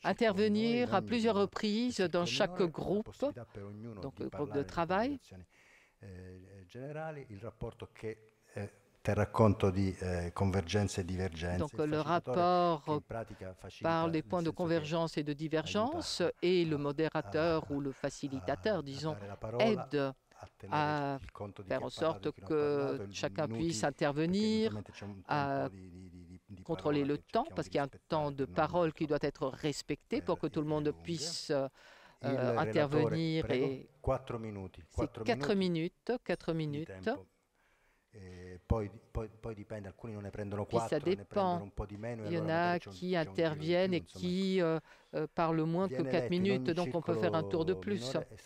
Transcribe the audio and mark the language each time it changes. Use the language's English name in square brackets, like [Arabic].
[French] intervenire à plusieurs reprises dans chaque groupe, donc le groupe de travail. [Italian] Generali, il rapporto che terrà conto di convergenze e divergenze. [French] Donc le rapport parle des points de convergence et de divergence et le modérateur ou le facilitateur, disons, aide à faire en sorte que chacun puisse intervenir, à contrôler le temps, parce qu'il y a un temps de parole qui doit être respecté pour que tout le monde puisse... [Italian] intervenir prego, [French] et [Italian] 4 minuti, [French] 4 minutes, 4 minutes. [Italian] Poi dipende, alcuni non ne prendono 4, ne prendono un po' di meno. [French] Il y en a qui interviennent et qui parlent moins que 4 minutes, donc on peut faire un tour de plus.